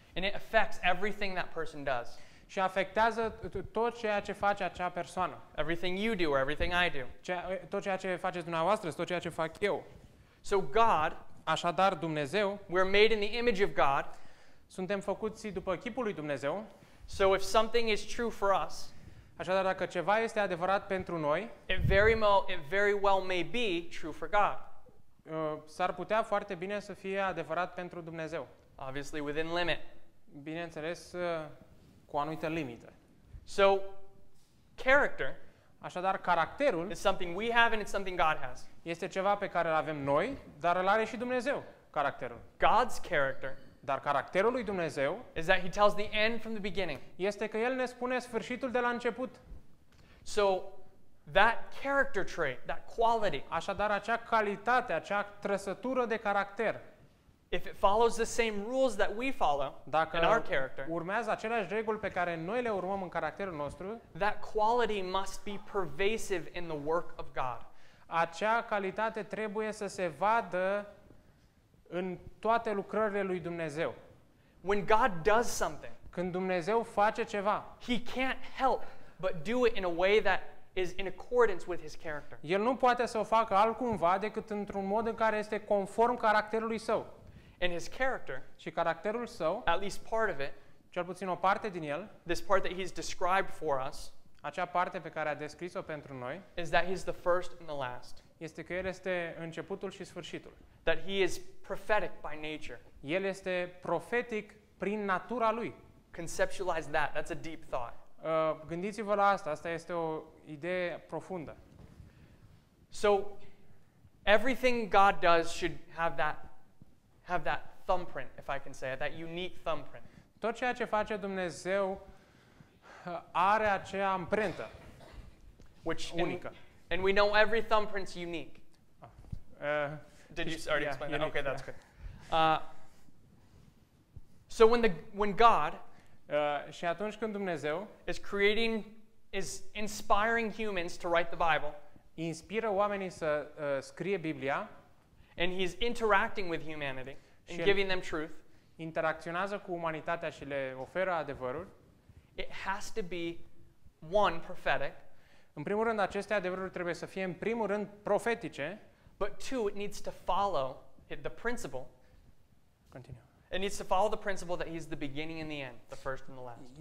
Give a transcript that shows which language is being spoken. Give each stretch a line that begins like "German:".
English: And it affects everything that person does.
Romanian: Și afectează tot ceea ce face acea persoană.
English: Everything you do or everything I do.
Romanian: Tot ceea ce faceți dumneavoastră, tot ceea ce fac eu.
English: So God,
Romanian: așadar Dumnezeu,
English: we're made in the image of God.
Romanian: Suntem făcuți după chipul lui Dumnezeu.
English: So if something is true for us,
Romanian: așadar dacă ceva este adevărat pentru noi,
English: it very well may be true for God.
Romanian: S-ar putea foarte bine să fie adevărat pentru Dumnezeu.
English: Obviously within limit.
Romanian: Bineînțeles, cu anumite limite.
English: So character,
Romanian: așadar caracterul,
English: is something we have and it's something God has.
Romanian: Este ceva pe care îl avem noi, dar îl are și Dumnezeu, caracterul.
English: God's character,
Romanian: dar caracterul lui Dumnezeu,
English: is that he tells the end from the beginning.
Romanian: Este că el ne spune sfârșitul de la început.
English: So that character trait, that quality,
Romanian: așadar acea calitate, acea trăsătură de caracter,
English: if it follows the same rules that we follow,
Romanian: dacă
English: in our character,
Romanian: urmează aceleași reguli pe care noi le urmăm în caracterul nostru,
English: that quality must be pervasive in the work of God.
Romanian: Acea calitate trebuie să se vadă în toate lucrările lui Dumnezeu.
English: When God does something,
Romanian: când Dumnezeu face ceva,
English: he can't help but do it in a way that is in accordance with his character.
Romanian: El nu poate să o facă altcumva decât într-un mod în care este conform caracterului său.
English: In his character,
Romanian: și caracterul său,
English: at least part of it,
Romanian: cel puțin o parte din el,
English: this part that he's described for us,
Romanian: acea parte pe care a descris-o pentru noi,
English: is that he's the first and the last.
Romanian: Este că el este începutul și sfârșitul.
English: That he is prophetic by nature.
Romanian: El este profetic prin natura lui.
English: Conceptualize that. That's a deep thought.
Romanian: Gândiți-vă la asta. Asta este o idee profundă.
English: So, everything God does should have that thumbprint, if I can say it, that unique thumbprint.
Romanian: Tot ceea ce face Dumnezeu are acea amprentă unică.
English: And we know every thumbprint's unique. Did you already explain that? Unique, okay, that's good. So when God
Romanian: și atunci când Dumnezeu
English: is inspiring humans to write the Bible,
Romanian: inspiră oamenii să scrie Biblia,
English: and he's interacting with humanity and giving them truth,
Romanian: interacționează cu umanitatea și le oferă adevărul,
English: it has to be one, prophetic.
Romanian: În primul rând, aceste adevăruri trebuie să fie în primul rând profetice.
English: But two, it needs to follow the principle. Continue. It needs to follow the principle that he's the beginning and the end, the first and the last.